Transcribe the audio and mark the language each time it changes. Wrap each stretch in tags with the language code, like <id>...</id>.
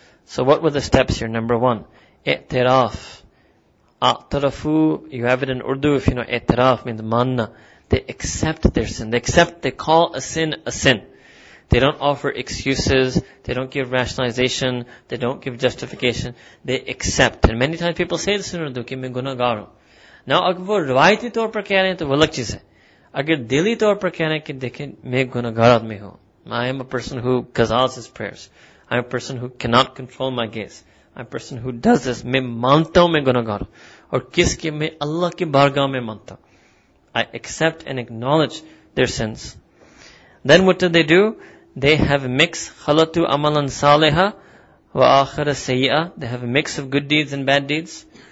<en>So what were the steps here? Number one, i'tiraf. A'tarafu, you have it in Urdu, if you know i'tiraf means manna. They accept their sin. They call a sin a sin. They don't offer excuses, they don't give rationalization, they don't give justification, they accept. And many times people say this in Urdu,</en> <ur>ki main gunahgar hoon.</ur> <en>Now,</en> <ur>اگر وہ روایتی طور پر کہہ رہے ہیں, تو وہ الگ چیز ہے. اگر دلی طور پر کہہ رہے ہیں, کہ دیکھیں, میں گناہگار آدمی ہوں.</ur> <en>I am a person who qazas his prayers. I am a person who cannot control my gaze. I am a person who does this.</en> <ur>میں مانتا ہوں, میں گناہگار ہوں. اور کس کی, میں اللہ کی بارگاہ میں مانتا.</ur> <en>I accept and acknowledge their sins. Then what do they do? They have a mix,</en> <ar>خَلَطُ عَمَلًا صَالِحًا وَآخَرَ سَيِّئًا.</ar> <en>They have a mix of good deeds and bad deeds.</en>